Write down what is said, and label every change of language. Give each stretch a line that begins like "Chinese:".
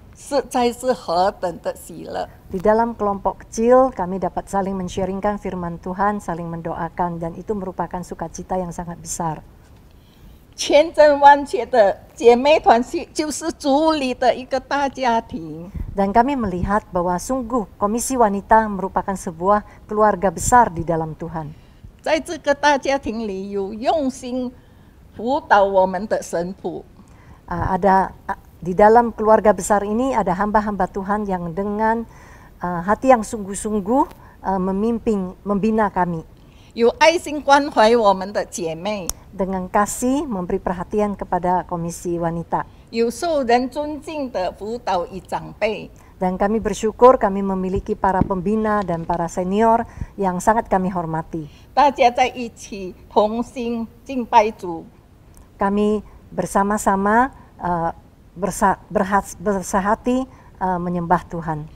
Chinese: 在小组里我们可以一起学习主的话，一起分享，彼此带到，实在是何等的喜乐。
Indonesian: Di dalam kelompok kecil kami dapat saling men-sharingkan firman Tuhan, saling mendoakan dan itu merupakan sukacita yang sangat besar.
Chinese: 千真万确的姐妹团系就是主里的一个大家庭.
Indonesian: Dan kami melihat bahwa sungguh komisi wanita merupakan sebuah keluarga besar di dalam Tuhan.
Chinese: 在这个大家庭里有用心辅导我们的神仆.
Indonesian: Ada di dalam keluarga besar ini ada hamba-hamba Tuhan yang dengan hati yang sungguh-sungguh memimpin, membina kami.
Chinese: 有爱心关怀我们的姐妹.
Indonesian: Dengan kasih memberi perhatian kepada komisi wanita.
Chinese: 有受人尊敬的辅导与长辈.
Indonesian: Dan kami bersyukur kami memiliki para pembina dan para senior yang sangat kami hormati.
Chinese: 大家在一起同心敬拜主.
Indonesian: Kami bersama-sama bersahati menyembah Tuhan.